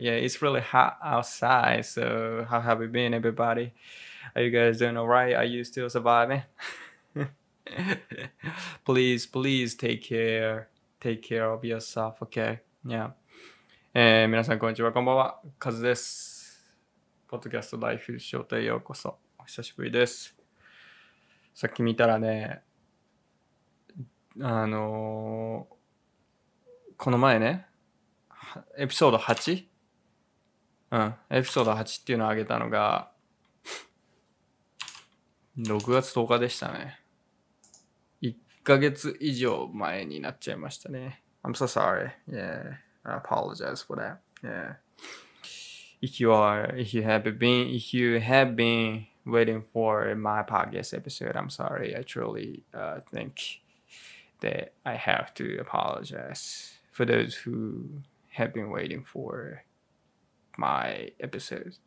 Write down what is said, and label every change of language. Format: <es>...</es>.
<en>Yeah, it's really hot outside. So how have you been, everybody? Are you guys doing all right? Are you still surviving? please take care of yourself, okay?</en> <ja>Yeah. 皆さん、こんにちは。こんばんは。カズです。ポッドキャストライフショートへようこそ。お久しぶりです。さっき見たらね、この前ね、エピソード8? うん、エピソード8っていうのをあげたのが、6月10日でしたね。 1ヶ月以上前になっちゃいましたね。</ja> <en>I'm so sorry. Yeah. I apologize for that. Yeah. If you have been waiting for my podcast episode, I'm sorry. I truly think that I have to apologize for those who have been waiting for my episode.</en>